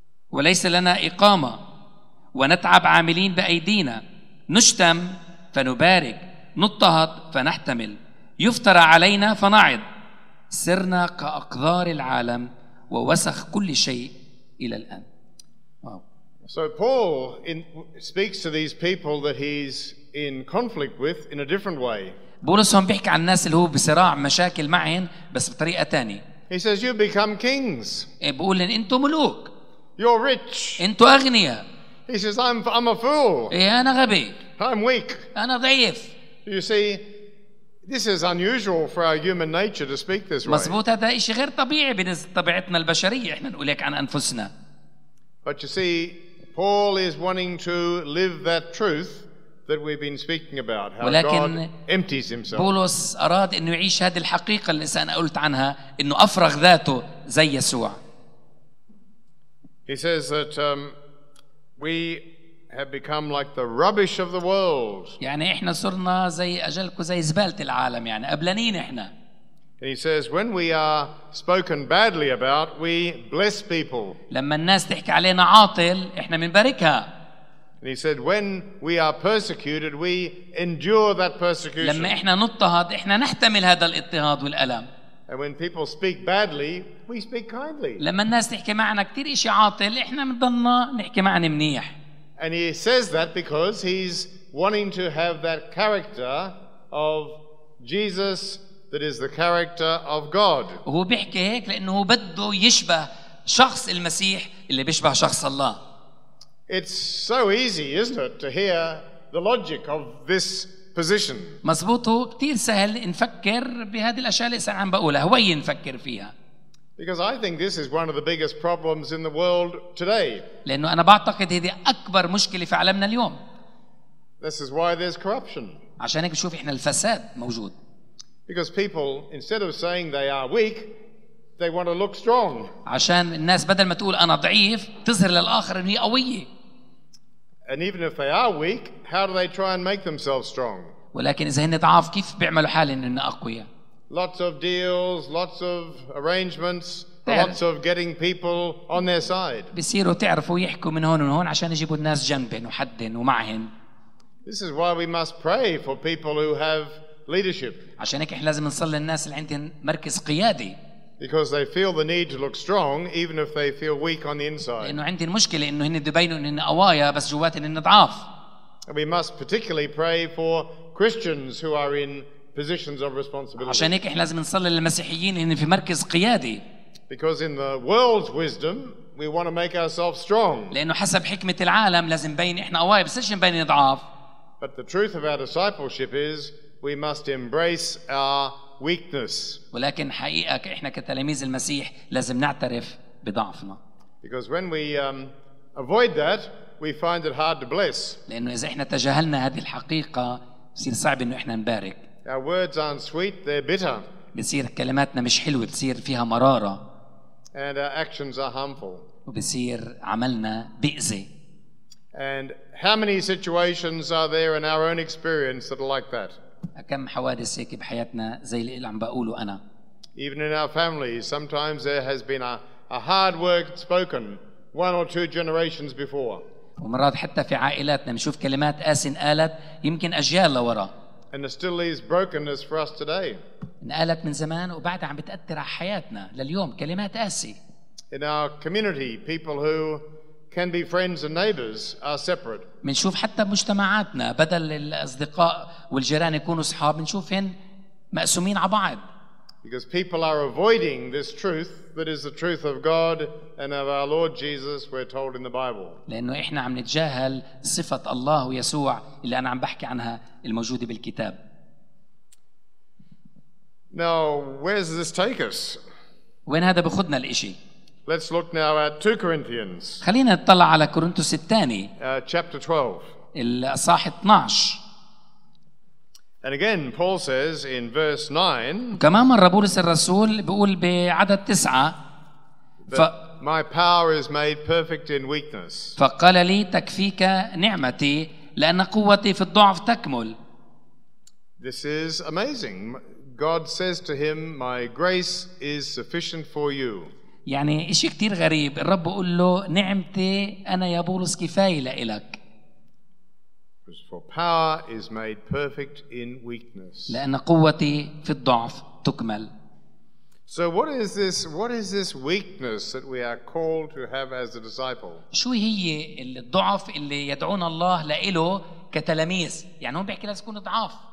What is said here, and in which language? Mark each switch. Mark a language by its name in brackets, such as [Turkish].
[Arabic] وليس لنا إقامة ونتعب عاملين بأيدينا نشتم فنبارك نضطهد فنحتمل يفترى علينا فنعد سرنا كأقذار العالم ووسخ كل شيء إلى الآن. [English] Wow. So Paul speaks to these people that he's in conflict with in a different way. [Arabic] بولس هم بيحكي عن الناس اللي هو بصراع مشاكل معهم بس بطريقة تانية. [English] He says you become kings. [Arabic] بقول إن أنتوا ملوك. [English] You're rich. [Arabic] أنتوا أغنياء. [English] He says I'm a fool. [Arabic] أنا غبي. [English] I'm weak. [Arabic] أنا ضعيف. [English] You see, this is unusual for our human nature to speak this way. [Arabic] مزبوط هذا إشي غير طبيعي بنز طبيعتنا البشرية إحنا نقولك عن أنفسنا. [English] But you see, Paul is wanting to live that truth that we've been speaking about, how God empties himself. [Arabic] بولس أراد إنه يعيش هذه الحقيقة اللي أنا قلت عنها إنه أفرغ ذاته زي يسوع. [English] He says that we have become like the rubbish of the world. [Arabic] يعني إحنا صرنا زي أجلكو زي زبالة العالم يعني قبلانين إحنا. [English] And he says, when we are spoken badly about, we bless people. [Arabic] لما الناس تحكي علينا عاطل إحنا منباركها. [English] And he said, when we are persecuted, we endure that persecution. [Arabic] لما إحنا نضطهد إحنا نحتمل هذا الاضطهاد والألم. [English] And when people speak badly, we speak kindly. [Arabic] لما الناس تحكي معنا كتير إشي عاطل إحنا منضلنا نحكي معنا منيح. [English] And he says that because he's wanting to have that character of Jesus that is the character of God. [Arabic] هو بيحكي هيك لأنه بده يشبه شخص المسيح اللي بيشبه شخص الله. [English] It's so easy, isn't it, to hear the logic of this position. [Arabic] مزبوط هو كتير سهل نفكر بهذه الأشياء اللي سعم بقولها هو ينفكر فيها. [English] Because I think this is one of the biggest problems in the world today. [Arabic] لأنه أنا بعتقد هذه أكبر مشكلة في عالمنا اليوم. [English] This is why there's corruption. [Arabic] عشان هيك بنشوف إحنا الفساد موجود. [English] Because people, instead of saying they are weak, they want to look strong. [Arabic] عشان الناس بدل ما تقول أنا ضعيف تظهر للآخر إني قوية. [English] And even if they are weak, how do they try and make themselves strong? [Arabic] ولكن إذا هن ضعاف كيف بيعملوا حال إن أقوياء؟ [English] Lots of deals, lots of arrangements, lots of getting people on their side. [Arabic] بيصيروا تعرفوا يحكوا من هون ومن هون عشان يجيبوا الناس جنبهم وحدهم ومعهم. [English] This is why we must pray for people who have leadership. [Arabic] عشان هيك احنا لازم نصلي للناس اللي عندهم مركز قيادي. [English] Because they feel the need to look strong even if they feel weak on the inside. [Arabic] لانه عندهم مشكلة انه هن بيبينوا انهم قوايا بس جواتهم انهم ضعاف. [English] We must particularly pray for Christians who are in positions of responsibility. [Arabic] عشان هيك احنا لازم نصلي للمسيحيين اللي في مركز قيادي. [English] Because in the world's wisdom, we want to make ourselves strong. [Arabic] لانه حسب حكمة العالم لازم نبين احنا قوايا بس مش نبين ضعاف. [English] But the truth of our discipleship is we must embrace our weakness. [Arabic] ولكن حقيقة احنا كتلاميذ المسيح لازم نعترف بضعفنا. [English] Because when we avoid that, we find it hard to bless. [Arabic] لانه اذا احنا تجاهلنا هذه الحقيقة بصير صعب انه احنا نبارك. [English] Our words aren't sweet, they're bitter. [Arabic] بصير كلماتنا مش حلوة بصير فيها مرارة. [English] And our actions are harmful. [Arabic] وبصير عملنا بيأذي. [English] And how many situations are there in our own experience that are like that? [Arabic] كم حوادث هيك بحياتنا زي اللي عم بقوله أنا. [English] Even in our families, sometimes there has been a hard word spoken one or two generations before. [Arabic] ومرات حتى في عائلاتنا بنشوف كلمات قاسية قالت يمكن أجيال لورا. [English] And it still leaves brokenness for us today. [Arabic] انقالت من زمان وبعدها عم بتأثر على حياتنا لليوم. كلمات قاسية. [English] In our community, people who can be friends and neighbors are separate. [Arabic] منشوف حتى مجتمعاتنا بدل الأصدقاء والجيران يكونوا أصحاب منشوفهن مقسومين على بعض. [English] Because people are avoiding this truth that is the truth of God and of our Lord Jesus, we're told in the Bible. [Arabic] لأنه إحنا عم نتجاهل صفة الله ويسوع اللي أنا عم بحكي عنها الموجودة بالكتاب. [English] Now, where does this take us? [Arabic] وين هذا بخدنا الإشي؟ [English] Let's look now at 2 Corinthians. [Arabic] خلينا نطلع على كورنثوس الثاني. [English] Chapter 12. [Arabic] الأصحاح 12. [English] And again, Paul says in verse 9. [Arabic] كمان مرة بولس الرسول بيقول بعدد 9. [English] My power is made perfect in weakness. [Arabic] فقال لي تكفيك نعمتي لأن قوتي في الضعف تكمل. [English] This is amazing. God says to him, "My grace is sufficient for you." [Arabic] يعني إشي كتير غريب. الرب بيقول له نعمتي أنا يا بولس كفاية لإلك. [English] For power is made perfect in weakness. [Arabic] لأن قوتي في الضعف تكمل. [English] So what is this weakness that we are called to have as a disciple? [Arabic] شو هي الضعف اللي يدعون الله لإله كتلاميذ؟ يعني هو بيحكي لازم يكون ضعاف.